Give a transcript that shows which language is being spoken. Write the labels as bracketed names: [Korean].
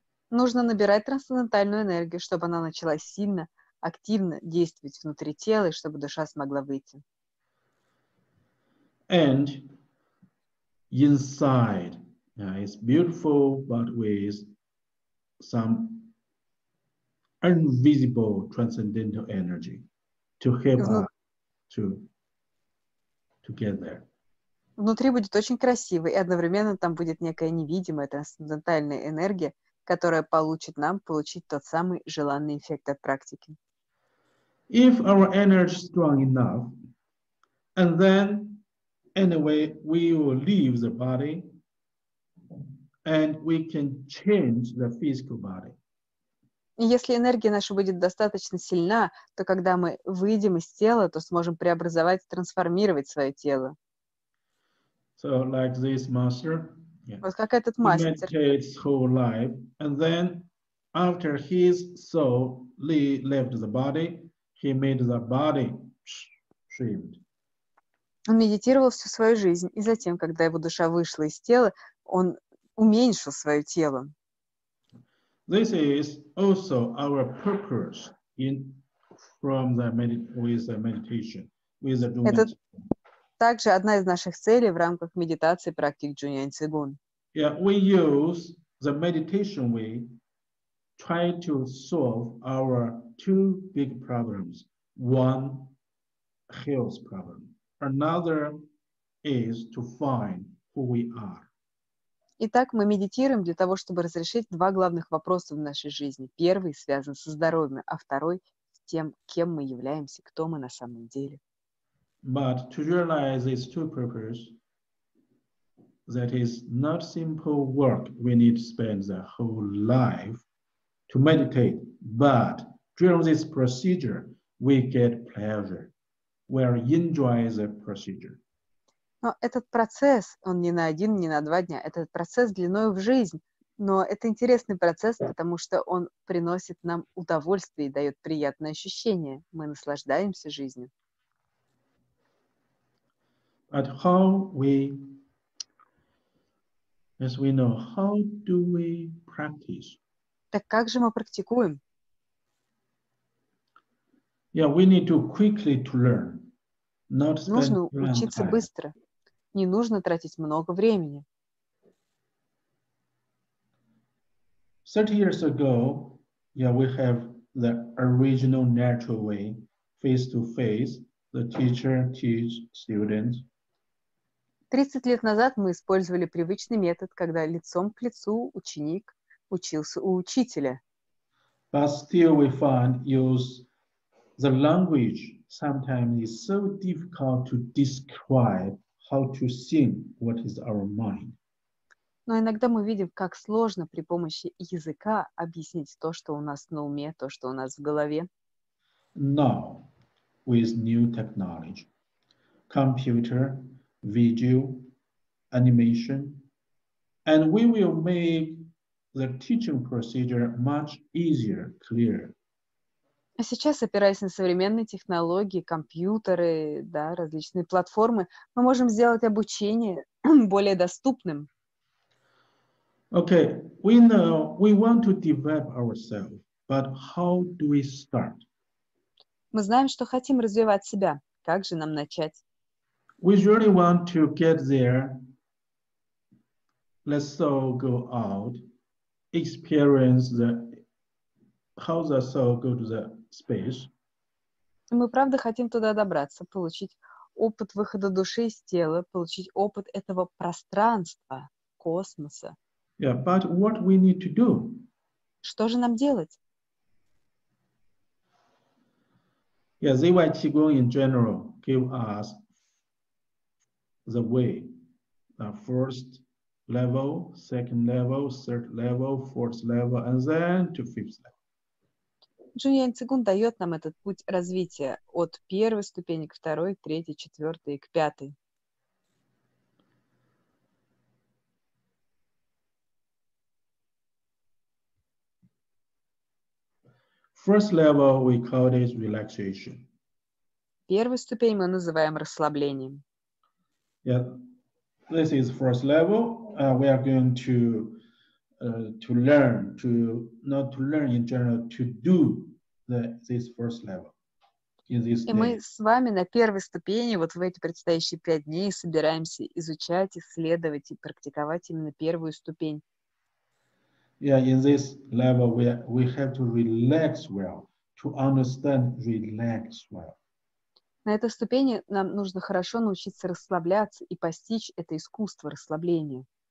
[Russian] Нужно набирать трансцендентальную энергию, чтобы она начала сильно, активно действовать внутри тела, и чтобы душа смогла выйти. [English] And inside, yeah, it's beautiful, but with some invisible transcendental energy to help us to get there. [Russian] Внутри будет очень красиво, и одновременно там будет некая невидимая трансцендентальная энергия, которая получит нам получить тот самый желанный эффект от практики. [English] If our energy strong enough, and then anyway, we will leave the body and we can change the physical body. [Russian] Если энергия наша будет достаточно сильна, то когда мы выйдем из тела, то сможем преобразовать, трансформировать свое тело. [English] So, like this master, [Russian] вот как этот мастер. [English] He meditates whole life, and then after his soul left the body, he made the body shift. [Russian] Он медитировал всю свою жизнь, и затем, когда его душа вышла из тела, он уменьшил свое тело. [English] This is also our purpose in from the with the meditation with the Jhunyuan Cigun. [Russian] Это также одна из наших целей в рамках медитации практик Jhunyuan Cigun. [English] Yeah, we use the meditation way try to solve our two big problems. One health problem. Another is to find who we are. [Russian] Итак, мы медитируем для того, чтобы разрешить два главных вопроса в нашей жизни. Первый связан со здоровьем, а второй с тем, кем мы являемся, кто мы на самом деле. [English] But to realize these two purposes, that is not simple work. We need to spend the whole life to meditate. But during this procedure, we get pleasure. We enjoy the procedure. [Russian] Но этот процесс, он не на один, не на два дня. Этот процесс длиной в жизнь. Но это интересный процесс, потому что он приносит нам удовольствие и дает приятное ощущение. Мы наслаждаемся жизнью. [English] But how we, as we know, how do we practice? [Russian] Так как же мы практикуем? [English] Yeah, we need to quickly to learn. Not spend [Russian] нужно учиться [English] time. [Russian] Быстро. Не нужно тратить много времени. [English] 30 years ago, yeah, we have the original natural way, face to face, the teacher teach students. [Russian] 30 лет назад мы использовали привычный метод, когда лицом к лицу ученик учился у учителя. [English] But still we find use the language sometimes is so difficult to describe. How to think, what is our mind. [Russian] Но иногда мы видим, как сложно при помощи языка объяснить то, что у нас на уме, то, что у нас в голове. [English] Now, with new technology, computer, video, animation, and we will make the teaching procedure much easier, clearer. [Russian] А сейчас, опираясь на современные технологии, компьютеры, да, различные платформы, мы можем сделать обучение более доступным. [English] Okay, we know we want to develop ourselves, but how do we start? [Russian] Мы знаем, что хотим развивать себя. Как же нам начать? [English] We really want to get there Let's soul go out, experience the how the soul go to the space. [Russian] Мы правда хотим туда добраться, получить опыт выхода души из тела, получить опыт этого пространства, космоса. [English] Yeah, but what we need to do? [Russian] Что же нам делать? [English] Yeah, Zhiwei Qigong in general give us the way, the first level, second level, third level, fourth level, and then to fifth level. [Russian] Джуньян Цигун дает нам этот путь развития от первой ступени к второй, третьей, четвертой и к пятой. [English] First level we call it relaxation. [Russian] Первую ступень мы называем расслаблением. [English] Yeah, this is first level. We are going to learn to not to learn in general to do this first level in this day. [Russian] И мы с вами на первой ступени вот в эти предстоящие пять дней собираемся изучать, исследовать и практиковать именно первую ступень. [English] Yeah, in this level we have to relax well, to understand relax well. [Russian] На этой ступени нам нужно хорошо научиться расслабляться и постичь это искусство расслабления.